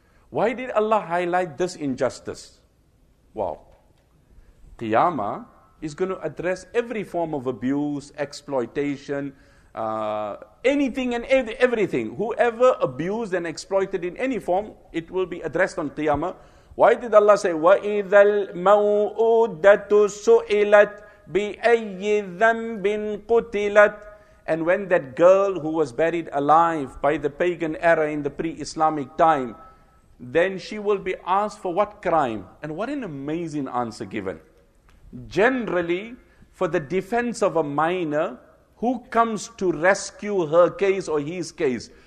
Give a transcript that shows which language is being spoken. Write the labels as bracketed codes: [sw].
[en] Why did Allah highlight this injustice? Wow. Qiyamah is going to address every form of abuse, exploitation, anything and everything. Whoever abused and exploited in any form, it will be addressed on Qiyamah. Why did Allah say, [ar] وَإِذَا الْمَوْءُودَةُ سُئِلَتْ بِأَيِّ ذَنْبٍ قُتِلَتْ. [en] And when that girl who was buried alive by the pagan era in the pre-Islamic time, then she will be asked for what crime? And what an amazing answer given. Generally, for the defense of a minor, who comes to rescue her case or his case?